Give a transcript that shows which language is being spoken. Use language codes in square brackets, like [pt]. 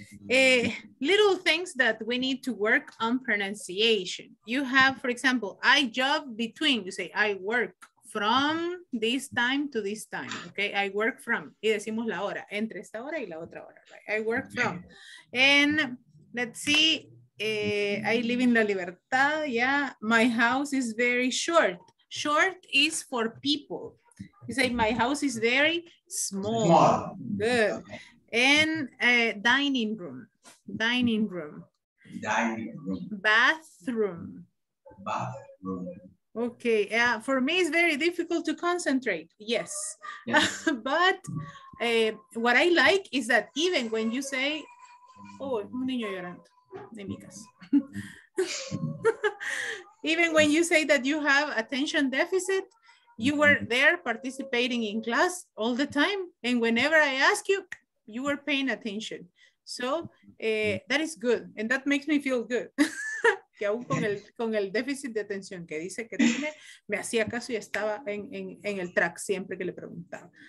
[en] little things that we need to work on pronunciation. You have, for example, I job between, you say, I work from this time to this time, okay? I work from, [es] y decimos la hora, entre esta hora y la otra hora, right? [en] I work from. And let's see, I live in La Libertad, yeah? My house is very short. Short is for people. You say, my house is very small. Good. And dining room. Dining room. Dining room. Bathroom. Bathroom. Okay, for me it's very difficult to concentrate, yes. But what I like is that even when you say, oh, [es] un niño llorando, en mi caso. [en] Even when you say that you have attention deficit, you were there participating in class all the time, and whenever I ask you, you were paying attention. So that is good, and that makes me feel good. [es] Que aún con el déficit de atención que dice que tiene, me hacía caso y estaba en el track siempre que le preguntaba.